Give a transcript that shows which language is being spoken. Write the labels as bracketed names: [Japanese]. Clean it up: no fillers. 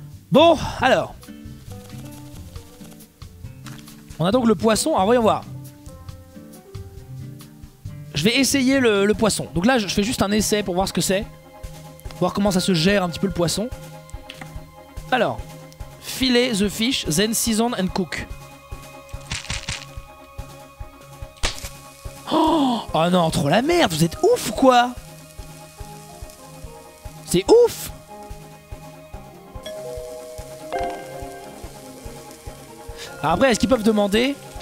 [French] Bon, alors. On a donc le poisson. Alors, voyons voir. Je vais essayer le poisson. Donc là, je fais juste un essai pour voir ce que c'est. Voir comment ça se gère un petit peu le poisson. [English] Alors, filet the fish, then season and cook. [French] Oh, oh non, trop la merde, vous êtes ouf ou quoi? C'est ouf! Alors après, est-ce qu'ils peuvent demander?